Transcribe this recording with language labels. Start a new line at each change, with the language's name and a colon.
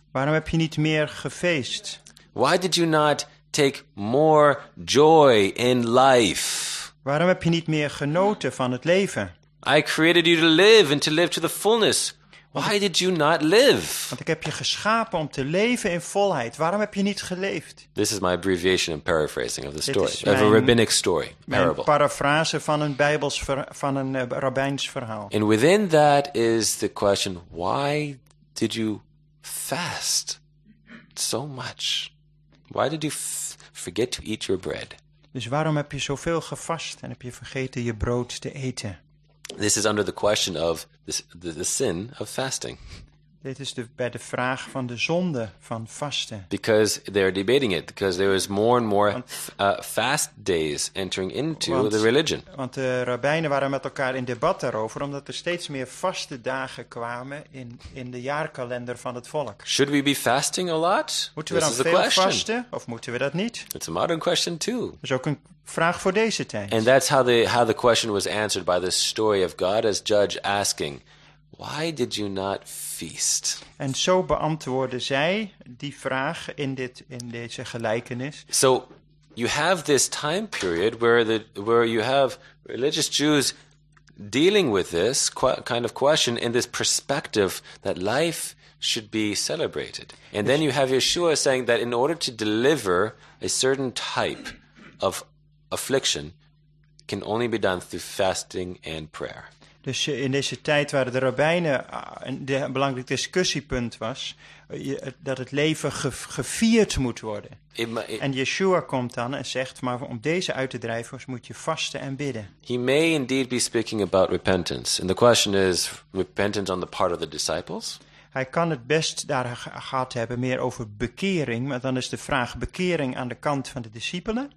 Dutch: Waarom heb je niet meer gefeest?
English: Why did you not take more joy in life?
Dutch: Waarom heb je niet meer genoten van het leven?
English: I created you to live and to live to the fullness. Why did you not live?
Dutch: Want ik heb je geschapen om te leven in volheid. Waarom heb je niet geleefd?
English: This is my abbreviation and paraphrasing of the story. Of a rabbinic story, parable.
Dutch: Een paraphrase van een rabbijns verhaal.
English: And within that is the question, why did you fast so much? Why did you forget to eat your bread?
Dutch: Dus waarom heb je zoveel gevast en heb je vergeten je brood te eten?
English: This is under the question of the sin of fasting.
Dutch: Dit is bij de vraag van de zonde van vasten.
English: Because they're debating it, because there is more and more fast days entering into the religion.
Dutch: Want de rabbijnen waren met elkaar in debat daarover, omdat er steeds meer vaste dagen kwamen in de jaarkalender van het volk.
English: Should we be fasting a lot?
Dutch: Moeten we dan veel vasten, of moeten we dat niet?
English: It's a modern question too.
Dutch: Dat is ook een vraag voor deze tijd.
English: And that's how the question was answered by this story of God as judge asking, why did you not feast?
Dutch: En zo beantwoordde zij die vraag in deze gelijkenis.
English: So you have this time period where you have religious Jews dealing with this kind of question in this perspective that life should be celebrated. And then you have Yeshua saying that in order to deliver a certain type of affliction can only be done through fasting and prayer.
Dutch: Dus in deze tijd waar de rabbijnen een belangrijk discussiepunt was, dat het leven gevierd moet worden. En Yeshua komt dan en zegt, maar om deze uit te drijven moet je vasten en bidden.
English: He may indeed be speaking about repentance. And the question is, repentance on the part of the disciples?
Dutch: Hij kan het best daar gehad hebben meer over bekering, maar dan is de vraag bekering aan de kant van de discipelen.